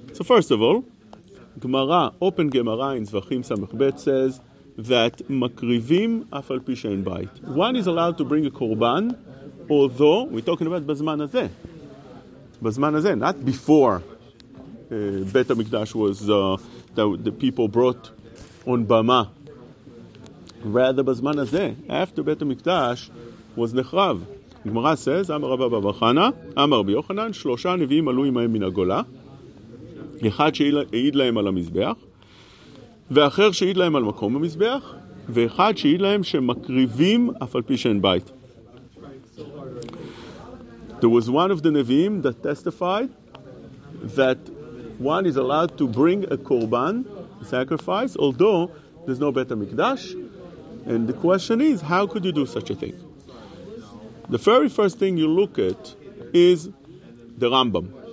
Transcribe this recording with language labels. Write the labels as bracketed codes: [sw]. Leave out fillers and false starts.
[en] So first of all, Gemara, open Gemara in Zvachim Samech Bet says that [he] makrivim af al pi shein bayit. [en] One is allowed to bring a korban, although we're talking about bazman hazeh, not before Beit HaMikdash was the people brought on bama. Rather, bazman hazeh, after Beit HaMikdash was nechrav. [he] Gemara says, Amar Rabba Bar Chana, Amar Rabbi Yochanan, shlosha nevi'im alu imayim min hagola, echad she'id lahem al hamizbeach, ואחר שיעיד להם על מקום המזבח, ואחד שיעיד להם שמקריבים אף על פי שאין בית. [en] There was one of the Nevi'im that testified that one is allowed to bring a korban, a sacrifice, although there's no Beit HaMikdash. And the question is, how could you do such a thing? The very first thing you look at is the Rambam.